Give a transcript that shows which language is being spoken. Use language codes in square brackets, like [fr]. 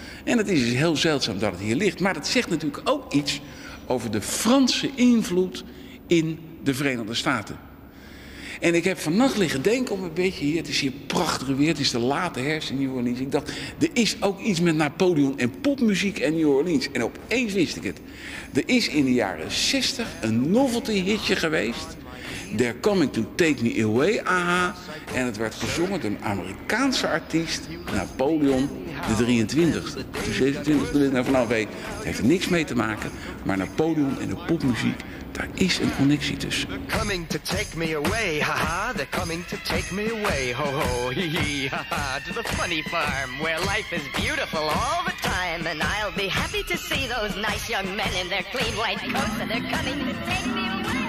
[nl] En het is dus heel zeldzaam dat het hier ligt, maar dat zegt natuurlijk ook iets over de Franse invloed in de Verenigde Staten. En ik heb vannacht liggen denken om een beetje hier, het is hier prachtig weer, het is de late herfst in New Orleans. Ik dacht, er is ook iets met Napoleon en popmuziek en New Orleans. En opeens wist ik het, er is in de jaren 60 een novelty hitje geweest. [en] They're coming to take me away, aha. [nl] En het werd gezongen door een Amerikaanse artiest, Napoleon de 23e. Het heeft er niks mee te maken, maar Napoleon en de popmuziek, daar is een connectie tussen. [en] They're coming to take me away, haha. They're coming to take me away, ho ho, hee hee, haha. To the funny farm where life is beautiful all the time. And I'll be happy to see those nice young men in their clean white coats. And they're coming to take me away.